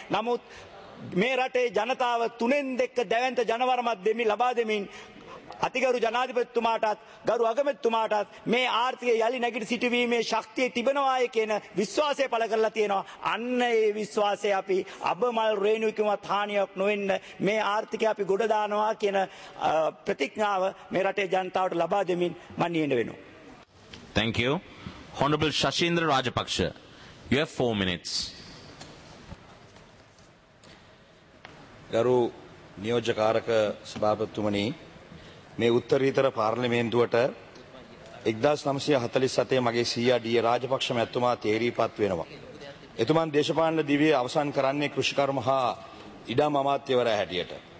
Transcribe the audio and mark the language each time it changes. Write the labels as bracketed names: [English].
[Sinhala] නමුත් මේ රටේ ජනතාව 3 දෙක දැවැන්ත ජනවරමත් දෙමින් ලබා දෙමින් අතිගරු ජනාධිපතිතුමාටත් ගරු අගමැතිතුමාටත් මේ ආර්ථික යලි නැගිට සිටීමේ ශක්තිය තිබෙනවායි කියන විශ්වාසය පළ කරලා තියෙනවා. අන්න ඒ විශ්වාසය අපි අබමල් රේණුවකවත් හානියක් නොවෙන්න මේ ආර්ථිකය අපි ගොඩ දානවා කියන ප්‍රතිඥාව මේ රටේ ජනතාවට ලබා දෙමින් මම නියඳ වෙනවා. [English] Thank you. Honorable Shashindra Rajapaksha, you have 4 minutes. [Sinhala] ගරු නියෝජකාරක සභාපතිතුමනි, මේ උත්තරීතර පාර්ලිමේන්තුවට 1947 මගේ සීයා ඩී රාජපක්ෂ මැතිතුමා තේරීපත් වෙනවා. එතුමන් දේශපාලන දිවියේ අවසන් කරන්නේ කෘෂිකර්ම හා ඉඩම් අමාත්‍යවරයා හැටියට.